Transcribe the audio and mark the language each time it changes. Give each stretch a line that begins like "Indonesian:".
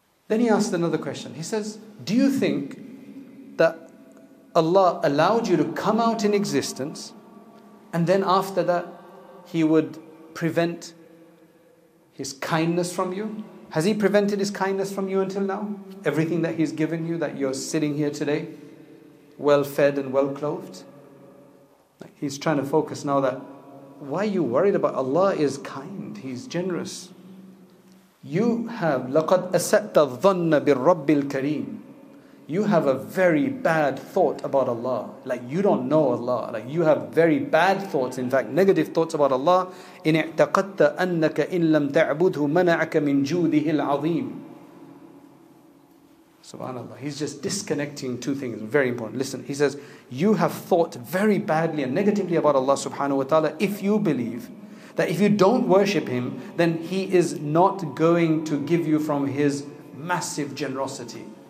English: Then he asked another question. He says, do you think that Allah allowed you to come out in existence and then after that he would prevent his kindness from you? Has he prevented his kindness from you until now? Everything that he's given you, that you're sitting here today, well fed and well clothed? He's trying to focus now that, why are you worried about? Allah is kind, he's generous. You have,
Arabic: لَقَدْ أَسَأْتَ الظَّنَّ بِالرَّبِّ الْكَرِيمِ.
English: You have a very bad thought about Allah. Like you don't know Allah. Like you have very bad thoughts. In fact, negative thoughts about Allah.
Arabic: إِنْ اِعْتَقَدْتَ أَنَّكَ إِنْ لَمْ تَعْبُدْهُ مَنَعَكَ مِنْ جُودِهِ الْعَظِيمِ. SubhanAllah.
English: He's just disconnecting two things. Very important. Listen, he says, you have thought very badly and negatively about Allah subhanahu wa ta'ala if you believe that if you don't worship Him, then He is not going to give you from His massive generosity.